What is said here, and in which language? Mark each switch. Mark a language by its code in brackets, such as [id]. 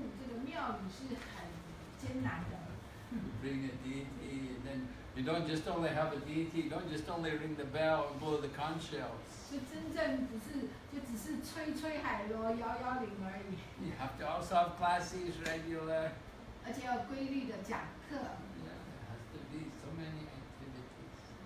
[zh] 所以可以知道要去维护这个庙宇是很艰难的。 [en] You bring a deity, and then you don't just only have a deity, you don't just only ring the bell and blow the conch shells. [zh] 就真正不是，就只是吹吹海螺、摇摇铃而已。 [en] You have to also have classes regular. [zh] 而且要规律的讲课。 [en] Yeah, there has to be so many activities.